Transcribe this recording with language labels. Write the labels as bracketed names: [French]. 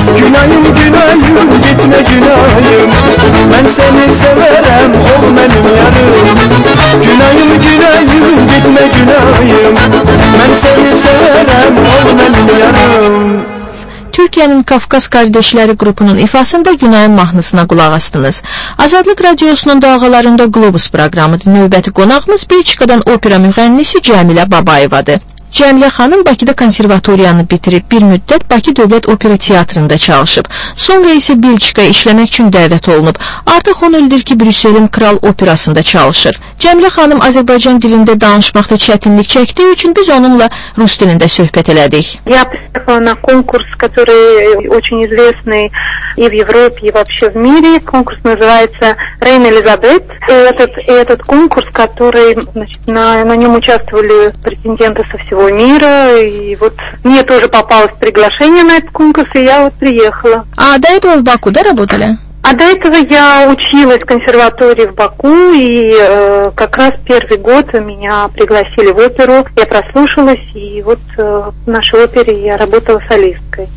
[Turkish] Günahım günahım gitme günahım, ben seni severim ol benim yarım. Günahım günahım gitme günahım, ben seni severim ol benim yarım. [Azerbaijani] Türkiye'nin Kafkas Kardeşleri grubunun ifasında Günay'ın mahnısına qulaq astınız. Azadlık Radyosunun dalğalarında Globus proqramıdır. Növbəti qonağımız Belçikadan opera müğənnisi Cəmilə Babayevadır. Cəmilə xanım Bakıda konservatoriyanı bitirib, bir müddət Bakı Dövlət Opera Teatrında çalışıb. Sonra isə Belçikaya işləmək üçün dəvət olunub. Artıq 10 ildir ki, Brüsselin Kral Operasında çalışır. Cəmilə xanım Azərbaycan dilində danışmaqda çətinlik çəkdiyi üçün biz onunla rus dilində söhbət elədik. [Russian] Я пришла на конкурс, который очень известный и в Европе, и вообще в мире. Конкурс называется Reina Elizabeth. Этот конкурс, который, значит, на нём участвовали претенденты со всего мира, и вот мне тоже попалось приглашение на этот конкурс, и я вот приехала. А до этого в Баку, да, работали? А до этого я училась в консерватории в Баку, и как раз первый год меня пригласили в оперу, я прослушалась, и вот в нашей опере я работала солисткой.